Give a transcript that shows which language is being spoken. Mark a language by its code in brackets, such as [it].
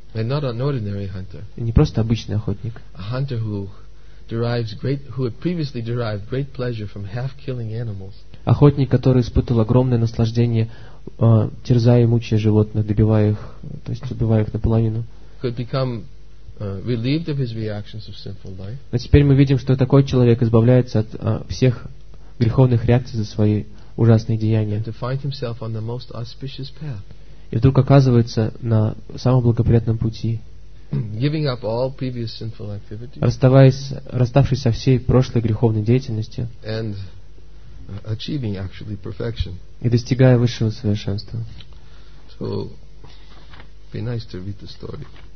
[en] and not an ordinary hunter, [ru] и не просто обычный охотник, [en] a hunter who had previously derived great pleasure from half killing animals. [ru] Охотник, который испытывал огромное наслаждение, терзая и мучая животных, убивая их наполовину. [en] Could become relieved of his reactions of sinful life. [ru] Но теперь мы видим, что такой человек избавляется от всех греховных реакций за свои ужасные деяния. [en] And to find himself on the most auspicious path. [ru] И вдруг оказывается на самом благоприятном пути. [en] Giving up all previous sinful activity. [ru] Расставшись со всей прошлой греховной деятельностью. [en] And achieving actually perfection. [ru] И достигая высшего совершенства. [en] So, be nice to read the story.